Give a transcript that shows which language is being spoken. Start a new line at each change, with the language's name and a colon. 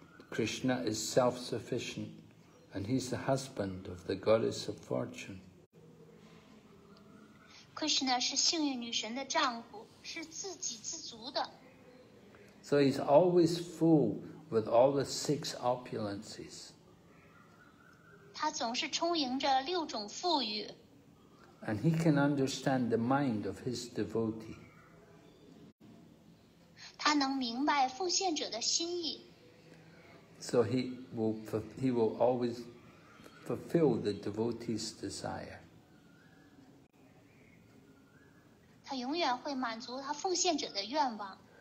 English: Krishna is self-sufficient, and he's the husband of the goddess of fortune.
Chinese: Krishna 是幸运女神的丈夫，是自给自足的。
English: So he's always full with all the six opulences.
Chinese: 他总是充盈着六种富裕。
English: And he can understand the mind of his devotee.
Chinese: 他能明白奉献者的心意。
English: So he will always fulfill the devotee's desire.
Chinese: 他永远会满足他奉献者的愿望。